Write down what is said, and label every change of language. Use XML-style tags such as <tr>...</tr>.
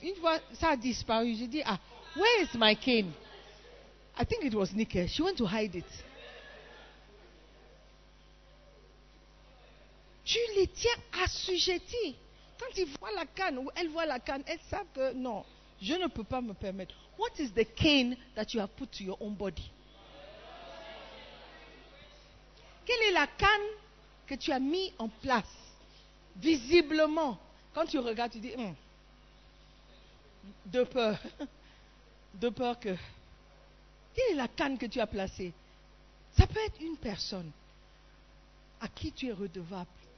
<fr>Une fois, ça a disparu. J'ai dit, ah,</fr> <en>where is my cane? I think it was Nikkei. She went to hide it.</en> <fr>Tu les tiens assujettis. Quand ils voient la canne ou elles voient la canne, elles savent que non, je ne peux pas me permettre.</fr> <en>What is the cane that you have put to your own body?</en> <fr>Quelle est la canne que tu as mis en place? Visiblement, quand tu regardes, tu dis, De peur que... Quelle est la canne que tu as placée? Ça peut être une personne à qui tu es redevable.</fr>